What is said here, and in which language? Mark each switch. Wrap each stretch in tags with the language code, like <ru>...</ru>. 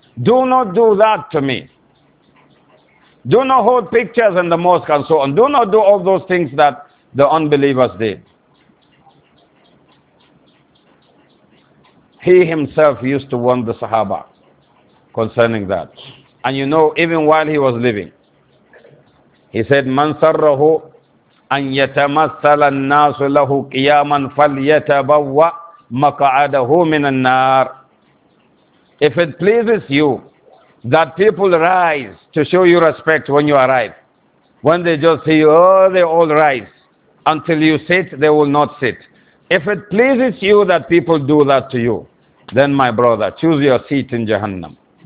<en>Do not do that to me. Do not hold pictures in the mosque and so on. Do not do all those things that the unbelievers did. He himself used to warn the Sahaba concerning that. And you know, even while he was living, he said,</en> <ar>مَنْ سَرَّهُ أَنْ يَتَمَثَّلَ النَّاسُ لَهُ قِيَامًا فَلْيَتَبَوَّ مَقَعَدَهُ مِنَ النَّارِ.</ar> <en>If it pleases you that people rise to show you respect when you arrive, when they just see you, oh, they all rise. Until you sit, they will not sit. If it pleases you that people do that to you, then my brother, choose your seat in Jahannam.</en>